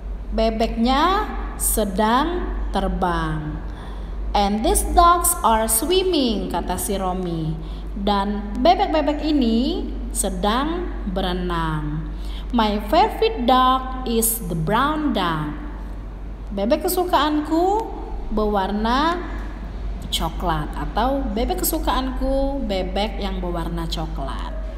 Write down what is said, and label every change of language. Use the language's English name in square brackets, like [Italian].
[Indonesian] Bebeknya sedang terbang. [English] And these ducks are swimming, [Indonesian] kata si Romy. Dan bebek-bebek ini sedang berenang. [English] My favorite duck is the brown duck. [Indonesian] Bebek kesukaanku berwarna coklat, atau bebek kesukaanku bebek yang berwarna coklat.